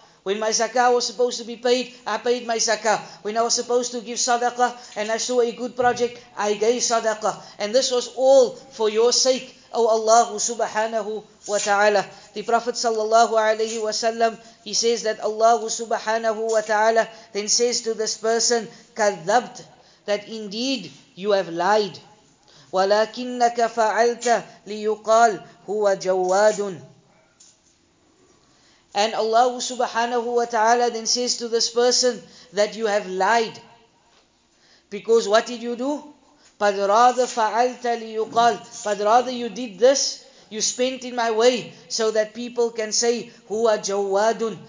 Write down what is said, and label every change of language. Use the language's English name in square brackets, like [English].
[English] When my zakah was supposed to be paid, I paid my zakah. When I was supposed to give sadaqah and I saw a good project, I gave sadaqah. And this was all for your sake, O Allah subhanahu wa ta'ala. The Prophet sallallahu alayhi wa sallam, he says that Allah subhanahu wa ta'ala then says to this person, kadhabt, that indeed you have lied. [Arabic] ولكنك فعلت ليقال هو جواد. [English] And Allah subhanahu wa ta'ala then says to this person that you have lied. Because what did you do? But rather [Arabic] fa'alta liyuqal. [English] But rather you did this, you spent in my way, so that people can say, [Arabic] huwa jawadun.